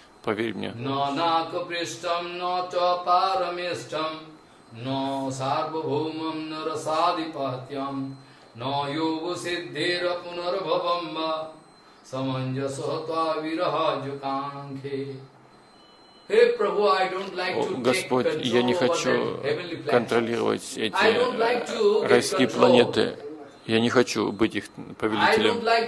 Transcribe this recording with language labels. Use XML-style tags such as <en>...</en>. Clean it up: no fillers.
<ru>Поверь мне.</ru> <sa>Но нако приштам, но то парамистам, но сарбхумам нарасадипатям, но йогу сиддира пунарбхамба, саманджасота вирахаджуканхе.</sa> <en>Hey, Prabhu, I don't like to take control over the heavenly planets. I don't like to take control over the heavenly planets.</en> <ru>Я не хочу быть их повелителем.</ru>